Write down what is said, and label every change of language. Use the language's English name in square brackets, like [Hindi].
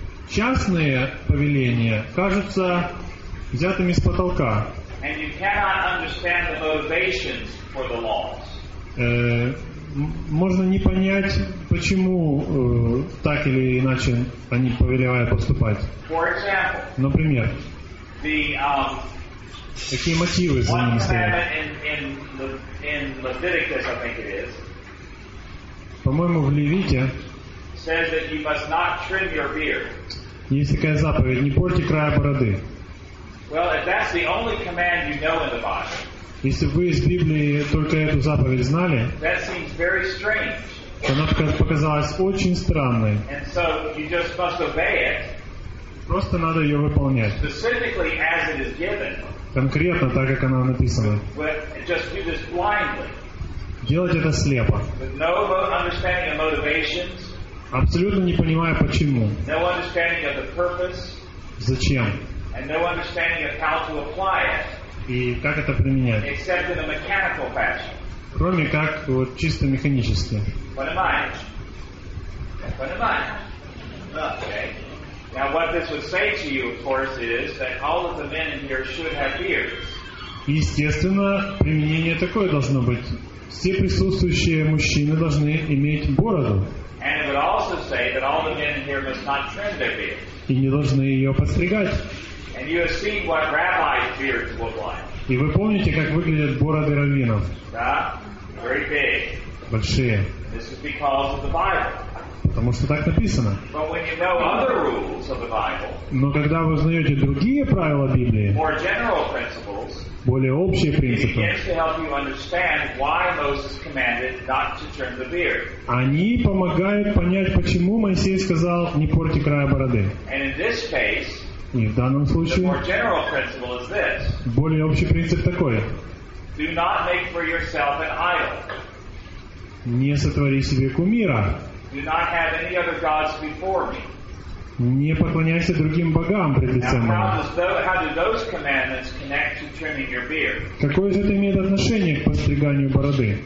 [Russian] Частные повеления кажутся взятыми с потолка. [English] And you cannot understand the motivations for the laws. [Russian] Можно не понять, почему так или иначе они повелевают поступать. [English] For example, [Russian] например, [English] the [Russian] какие мотивы за ними стоят. [English] In Leviticus, I think it is, [Russian] по-моему, в Левите [English] says that you must not trim your beard. [Russian] Есть такая заповедь: не порти края бороды. [English] Well, if that's the only command you know in the Bible, [Russian] если вы из Библии только эту заповедь знали, [English] that seems very strange. [Russian] Она показалась очень странной. [English] And so you just must obey it. [Russian] Просто надо ее выполнять. [English] Specifically as it is given. [Russian] Конкретно так, как она написана. [English] Just do this blindly. [Russian] Делать это слепо. [English] With no understanding of motivations. [Russian] Абсолютно не понимая почему. [English] No understanding of the purpose. [Russian] Зачем. [English] And no understanding of how to apply it. [Russian] И как это применять. [English] Except in a mechanical fashion. [Russian] Кроме как вот чисто механически. [English] What am I? Okay. Now what this would say to you, of course, is that all of the men in here should have beards. [Russian] Естественно, применение такое должно быть. Все присутствующие мужчины должны иметь бороду. [English] And it would also say that all the men in here must not trim their beards. [Russian] И не должны ее подстригать. [English] And you have seen what rabbi's beards look like. [Russian] И вы помните, как выглядят бороды раввинов? Да, [English] very big. [Russian] Большие. [English] This is because of the Bible. [Russian] Потому что так написано. [English] But when you know other rules of the Bible, [Russian] но когда вы узнаете другие правила Библии, [English] more general principles, [Russian] более общие принципы, [English] it begins to help you understand why Moses commanded not to trim the beard. [Russian] Они помогают понять, почему Моисей сказал не порти края бороды. [English] And in this case, [Russian] и в данном случае [English] the more general principle is this. [Russian] Более общий принцип такой. [English] Do not make for yourself an idol. [Russian] Не сотвори себе кумира. [English] Do not have any other gods before me. [Russian] Не поклоняйся другим богам пред лицом моим. [English] How do those commandments connect to trimming your beard? [Russian] Какое же это имеет отношение к подстриганию бороды?